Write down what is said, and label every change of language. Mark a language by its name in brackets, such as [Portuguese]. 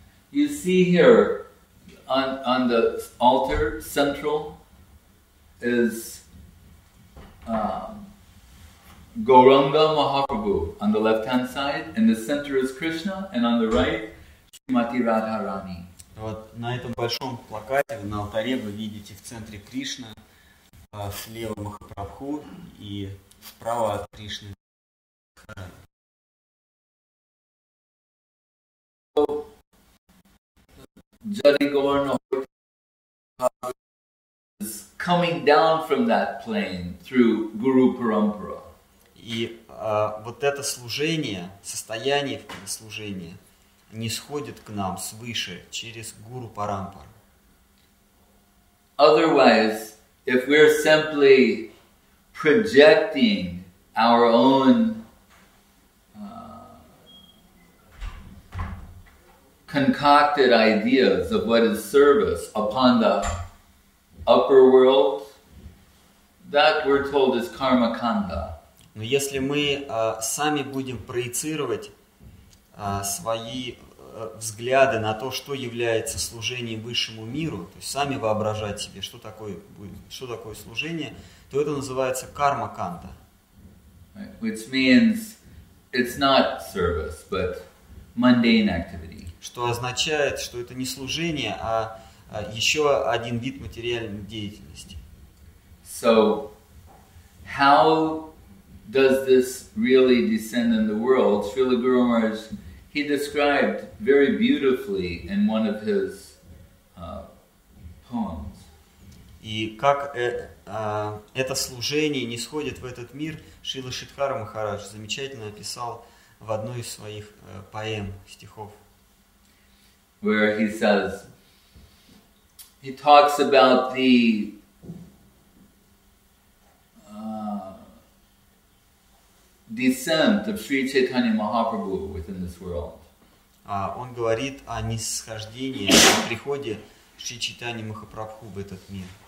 [English] You see here on the altar central is Gauranga Mahaprabhu on the left hand side, and the center is Krishna, and on the right Shrimati Radharani. [Russian] Вот на этом большом плакате на алтаре вы видите в центре Кришна, слева Махапрабху и справа от Кришны. [English] Jati Govardhan is coming down from that plane through Guru Parampara. [Russian] И вот это служение, состояние служения, нисходит к нам свыше через Гуру Парампару. [English] Otherwise, if we're simply projecting our own concocted ideas of what is service upon the upper world, that we're told is karma kanda. [Russian] Но если мы сами будем проецировать свои взгляды на то, что является служением высшему миру, то есть сами воображать себе, что такое служение, то это называется карма канда. [English] Right. Which means it's not service, but mundane activity. [Russian] Что означает, что это не служение, а еще один вид материальной деятельности. [English] So, how does this really descend in the world? Srila Guru Maharaj, he described very beautifully in one of his poems. [Russian] И как это служение нисходит в этот мир, Шрила Шридхара Махарадж замечательно описал в одной из своих поэм, стихов. [English] Where he says, he talks about the descent of Sri Chaitanya Mahaprabhu within this world. [Russian] Он говорит о нисхождении, о приходе Шри Чайтаньи Махапрабху в этот мир.